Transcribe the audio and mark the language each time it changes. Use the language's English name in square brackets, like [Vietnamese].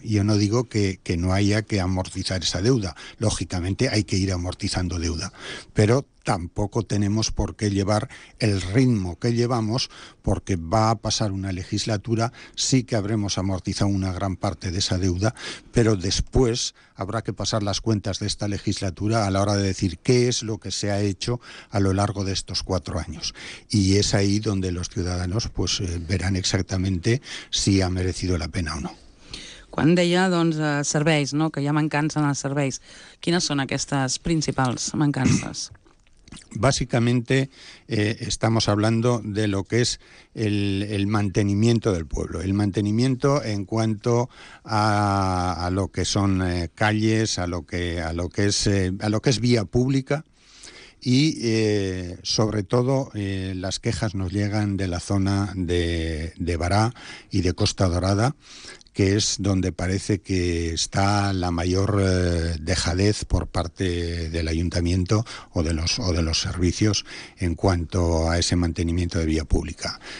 [Spanish] Yo no digo que no haya que amortizar esa deuda, lógicamente hay que ir amortizando deuda, pero tampoco tenemos por qué llevar el ritmo que llevamos, porque va a pasar una legislatura, sí que habremos amortizado una gran parte de esa deuda, pero después habrá que pasar las cuentas de esta legislatura a la hora de decir qué es lo que se ha hecho a lo largo de estos 4 años. Y es ahí donde los ciudadanos pues verán exactamente si ha merecido la pena o no. [Catalan] Quan deia, doncs, serveis, no?, que hi ha mancances en els serveis, quines són aquestes principals mancances? [Spanish] Básicamente estamos hablando de lo que es el mantenimiento del pueblo. El mantenimiento en cuanto a lo que son calles, a lo que es vía pública, y sobre todo las quejas nos llegan de la zona de Bará y de Costa Dorada, que es donde parece que está la mayor dejadez por parte del ayuntamiento o de los servicios en cuanto a ese mantenimiento de vía pública.